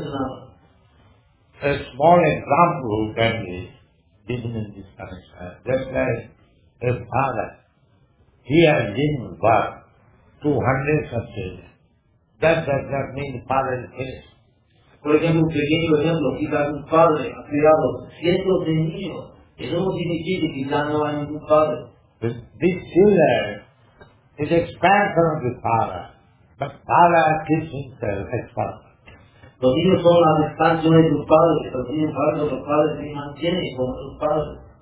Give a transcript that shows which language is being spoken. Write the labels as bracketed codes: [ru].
[en] A small example can be given in this connection. Just like a father, he has given birth to hundreds of children. That does not mean the father is finished. [es] Por ejemplo, un pequeño ejemplo, quizás un padre ha criado cientos de niños. Eso no significa que ya no hay ningún padre. [en] But this children is expansion of the father. But father keeps himself as father. [es] Los niños son la expansión de sus padres, pero sin embargo los padres se mantienen como sus padres.